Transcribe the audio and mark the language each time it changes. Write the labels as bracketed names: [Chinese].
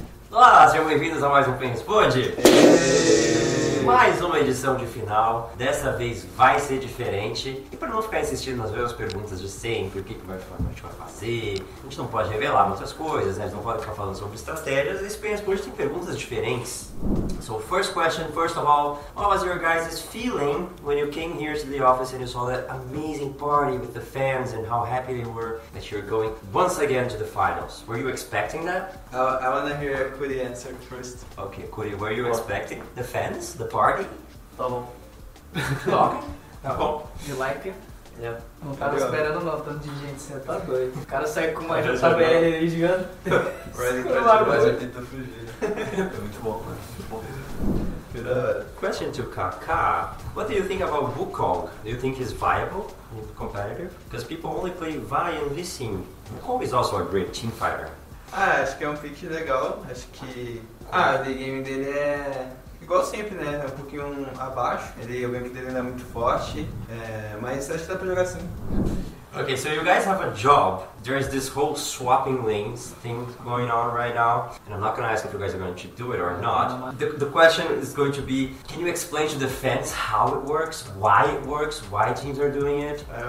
[Portuguese] Olá, sejam bem-vindos a mais um Pênis Pod. Mais uma edição de final. Dessa vez vai ser diferente. E para não ficar insistindo nas mesmas perguntas de sempre, o que a gente vai fazer, a gente não pode revelar muitas coisas, né? A gente não pode ficar falando sobre estratégias. Esse Pênis Pod tem perguntas diferentes. [English] So, first question, first of all, what was your guys' feeling when you came here to the office and you saw that amazing party with the fans and how happy they were that you're going once again to the finals? Were you expecting that? I want to hear Kuri answer first. Okay, Kuri, were you expecting the fans, the party? [Portuguese] Tá bom. Tá bom. [English] You like it? Yeah. [Portuguese] Não tava esperando não, tanto de gente, você tá doido. O cara sai com uma JBL gigante. Pra ele entrar demais, eu tento fugir. É muito bom, mano. [English] Question to Kaká. What do you think about Wukong? Do you think he's viable and competitive? Because people only play Vi and Lee Sin. Wukong is also a great team fighter. [Portuguese] Ah, acho que é um pick legal. Acho que... o game dele é... igual sempre, né? É um pouquinho abaixo. Ele, o game dele não é muito forte. Mas acho que dá pra jogar sim. [English] Okay, so you guys have a job. There's this whole swapping lanes thing going on right now. And I'm not going to ask if you guys are going to do it or not. The question is going to be, can you explain to the fans how it works? Why it works? Why teams are doing it?